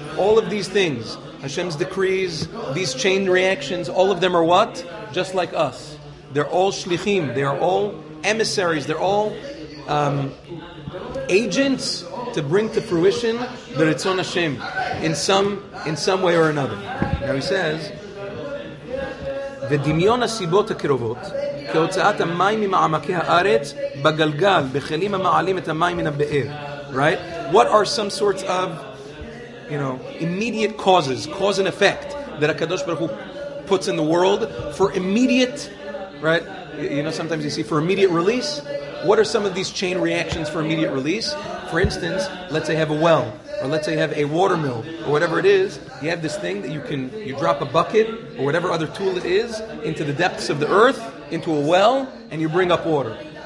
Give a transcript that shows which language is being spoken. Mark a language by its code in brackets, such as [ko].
[en] All of these things, Hashem's decrees, these chain reactions, all of them are what? Just like us. They're all shlichim. They're all emissaries. They're all agents to bring to fruition the Ritzon Hashem in some way or another. Now he says, [he] ודמיון הסיבות הקרובות כהוצאת המים ממעמקי הארץ בגלגל בכלים המעלים את המים מן הבאר. [en] Right? What are some sorts of, you know, immediate causes, cause and effect that HaKadosh Baruch Hu puts in the world for immediate, right? You know, sometimes you see for immediate release. What are some of these chain reactions for immediate release? For instance, let's say you have a well, or let's say you have a water mill, or whatever it is, you have this thing that you drop a bucket, or whatever other tool it is, into the depths of the earth, into a well, and you bring up water.